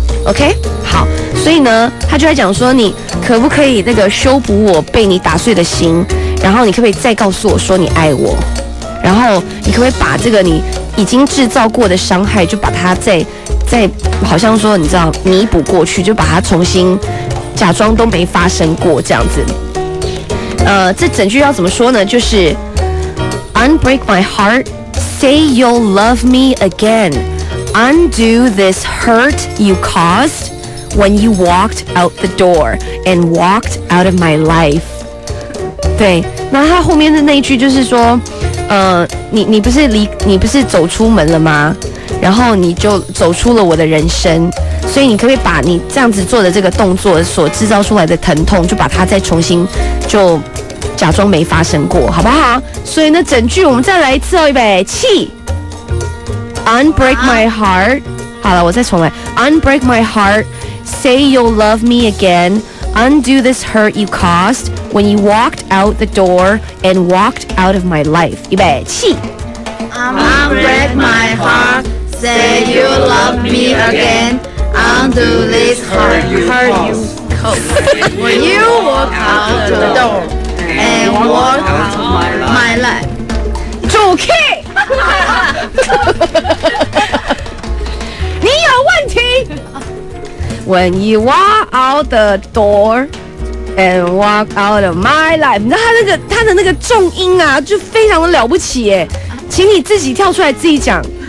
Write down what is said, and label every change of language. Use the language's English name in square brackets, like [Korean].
[Chinese] OK， 好，所以呢他就在讲说你可不可以那个修补我被你打碎的心，然后你可不可以再告诉我说你爱我，然后你可不可以把这个你已经制造过的伤害就把它再好像说你知道弥补过去，就把它重新假装都没发生过这样子。这整句要怎么说呢？就是 [English] unbreak my heart, say you'll love me again, undo this hurt you caused when you walked out the door and walked out of my life。 [Chinese] 对，那他后面的那一句就是说你不是走出门了吗，然后你就走出了我的人生，所以你可不可以把你这样子做的这个动作所制造出来的疼痛就把它再重新就假装没发生过，好不好？所以那整句我们再来一次哦，预备起。 [English] Unbreak my heart， [Chinese] 好了，我再重来。 [English] Unbreak my heart， say you'll love me again， undo this hurt you caused when you walked out the door and walked out of my life， [Chinese] 预备起。 [English] Unbreak my heart， say you'll love me again， undo this hurt you caused when you walked out the door。 And what my life? [Chinese] 主 key， 你有问题？ [English] When you walk out the door， and walk out of my life。 [Chinese] 你知道他的那个重音啊，就非常的了不起耶，请你自己跳出来自己讲。